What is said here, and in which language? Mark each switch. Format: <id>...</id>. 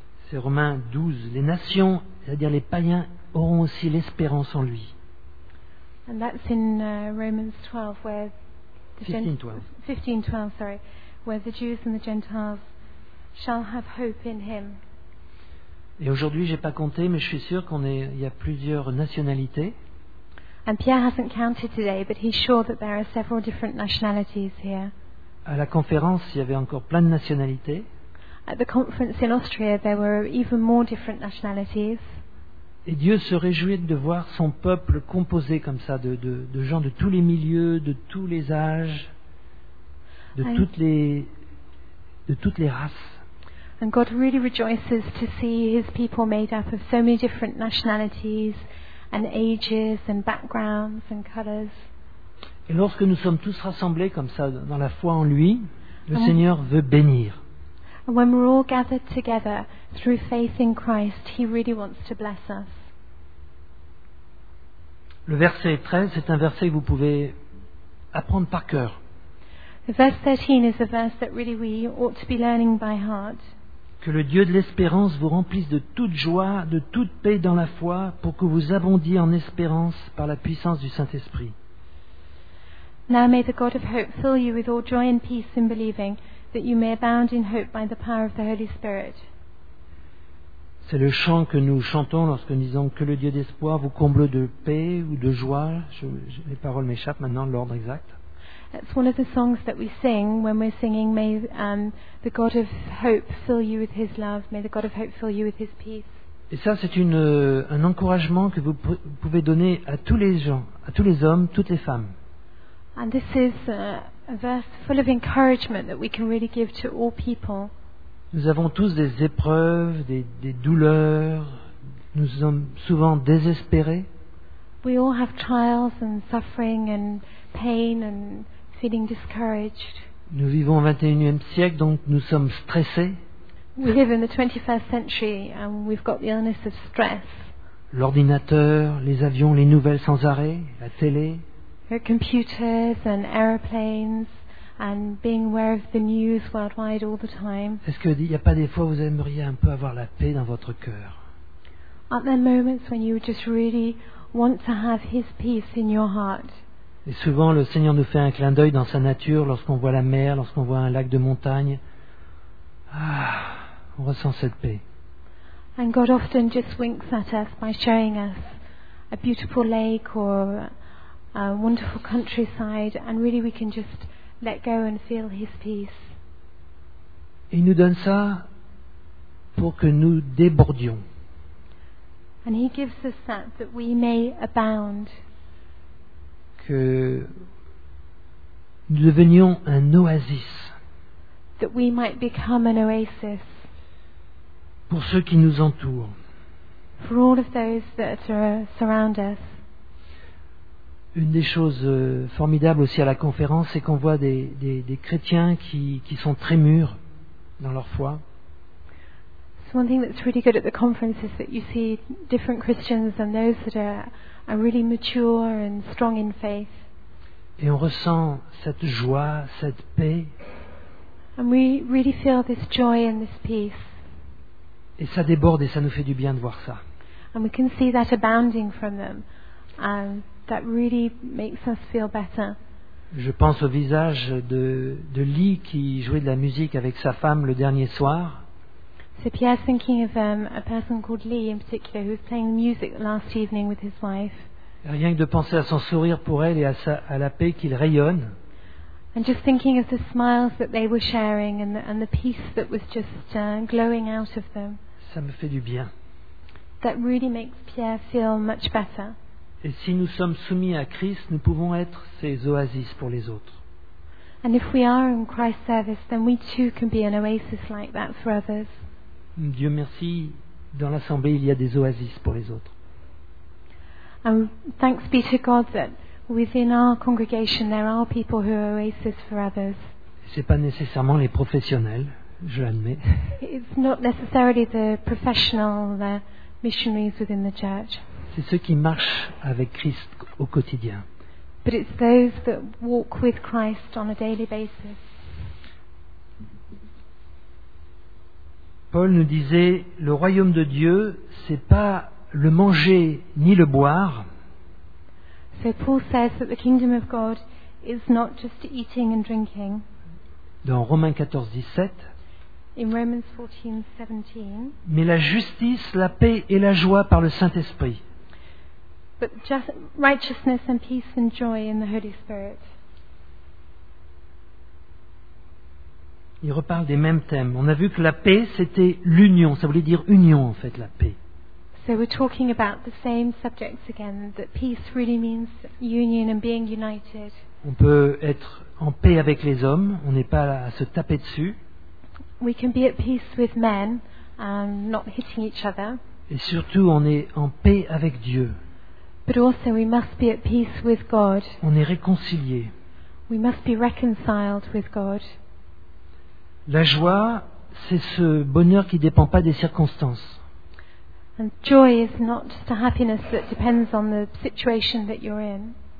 <fr>C'est Romains 12, les nations, c'est-à-dire les païens, auront aussi l'espérance en lui.</fr> <en>And that's in Romans 12 where the 15:12, sorry, where the Jews and the Gentiles shall have hope in him.</en> <fr>Et aujourd'hui, j'ai pas compté, mais je suis sûr qu'il y a plusieurs nationalités.</fr> <en>And Pierre hasn't counted today, but he's sure that there are several different nationalities here.</en> <fr>À la conférence, il y avait encore plein de nationalités.</fr> <en>At the conference in Austria, there were even more different nationalities.</en> <fr>Et Dieu se réjouit de voir son peuple composé comme ça, de gens de tous les milieux, de tous les âges, de toutes les races.</fr> <en>And God really rejoices to see his people made up of so many different nationalities and ages and backgrounds and colors.</en> <fr>Et lorsque nous sommes tous rassemblés comme ça dans la foi en lui, le Seigneur veut bénir.</fr> <en>And when we're all gathered together through faith in Christ, he really wants to bless us.</en> <fr>Le verset 13, c'est un verset que vous pouvez apprendre par cœur.</fr> <en>The verse 13 is a verse that really we ought to be learning by heart.</en> <fr>Que le Dieu de l'espérance vous remplisse de toute joie, de toute paix dans la foi, pour que vous abondiez en espérance par la puissance du Saint-Esprit.</fr> <en>Now may the God of hope fill you with all joy and peace in believing, that you may abound in hope by the power of the Holy Spirit.</en> <fr>C'est le chant que nous chantons lorsque nous disons que le Dieu d'espoir vous comble de paix ou de joie. Les paroles m'échappent maintenant, l'ordre exact.</fr> <en>It's one of the songs that we sing when we're singing, may the God of hope fill you with his love, may the God of hope fill you with his peace.</en> <fr>Et ça, c'est un encouragement que vous pouvez donner à tous les gens, à tous les hommes, toutes les femmes.</fr> <en>And this is a verse full of encouragement that we can really give to all people.</en> <fr>Nous avons tous des épreuves, des douleurs. Nous sommes souvent désespérés.</fr> <en>We all have trials and suffering and pain and feeling discouraged.</en> <fr>Nous vivons au 21e siècle, donc nous sommes stressés.</fr> <en>We live in the 21st century and we've got the illness of stress.</en> <fr>L'ordinateur, les avions, les nouvelles sans arrêt, la télé.</fr> <en>Computers and aeroplanes and being aware of the news worldwide all the time.</en> <fr>Est-ce qu'il n'y a pas des fois où vous aimeriez un peu avoir la paix dans votre cœur?</fr> <en>Aren't there moments when you just really want to have His peace in your heart?</en> <fr>Et souvent, le Seigneur nous fait un clin d'œil dans sa nature lorsqu'on voit la mer, lorsqu'on voit un lac de montagne. Ah, on ressent cette paix.</fr> <en>And God often just winks at us by showing us a beautiful lake or a wonderful countryside, and really we can just let go and feel His peace.</en> <fr>Il nous donne ça pour que nous débordions.</fr> <en>And He gives us that that we may abound.</en> <fr>Que nous devenions un oasis.</fr> <en>That we might become an oasis.</en> <fr>Pour ceux qui nous entourent.</fr> <en>For all of those that surround us.</en> <fr>Une des choses formidables aussi à la conférence, c'est qu'on voit des chrétiens qui sont très mûrs dans leur foi.</fr> <en>One thing that's really good at the conference is that you see different Christians and those that are really mature and strong in faith.</en> <fr>Et on ressent cette joie, cette paix.</fr> <en>And we really feel this joy and this peace.</en> <fr>Et ça déborde et ça nous fait du bien de voir ça.</fr> <en>And we can see that abounding from them. That really makes us feel better.</en> <fr>Je pense au visage de Lee qui jouait de la musique avec sa femme le dernier soir.</fr> <en>So Pierre's thinking of a person called Lee in particular who was playing music last evening with his wife.</en> <fr>Rien que de penser à son sourire pour elle et à la paix qu'il rayonne.</fr> <en>And just thinking of the smiles that they were sharing and the peace that was just glowing out of them.</en> <fr>Ça me fait du bien.</fr> <en>That really makes Pierre feel much better.</en> <fr>Et si nous sommes soumis à Christ, nous pouvons être ces oasis pour les autres.</fr> <en>And if we are in Christ's service, then we too can be an oasis like that for others.</en> <fr>Dieu merci, dans l'assemblée il y a des oasis pour les autres.</fr> <en>And thanks be to God that within our congregation there are people who are oasis for others.</en> <fr>C'est pas nécessairement les professionnels, je l'admets.</fr> <en>It's not necessarily the professional, the missionaries within the church.</en> <fr>C'est ceux qui marchent avec Christ au quotidien.</fr> <en>But it's those that walk with Christ on a daily basis.</en> <fr>Paul nous disait, le royaume de Dieu, c'est pas le manger ni le boire.</fr> <en>So Paul says that the kingdom of God is not just eating and drinking.</en> <fr>Dans Romains 14, 17.</fr> <en>In Romans 14, 17.</en> <fr>Mais la justice, la paix et la joie par le Saint-Esprit.</fr> <en>But just righteousness and peace and joy in the Holy Spirit.</en> <fr>Il reparle des mêmes thèmes. On a vu que la paix, c'était l'union. Ça voulait dire union, en fait, la paix.</fr> <en>So we're talking about the same subjects again, that peace really means union and being united.</en> <fr>On peut être en paix avec les hommes. On n'est pas à se taper dessus.</fr> <en>We can be at peace with men, not hitting each other.</en> <fr>Et surtout, on est en paix avec Dieu.</fr> <en>But also, we must be at peace with God.</en> <fr>On est réconcilié.</fr> <en>We must be reconciled with God.</en> <fr>La joie, c'est ce bonheur qui ne dépend pas des circonstances.</fr> <en>And joy is not just a happiness that depends on the situation that you're in.</en>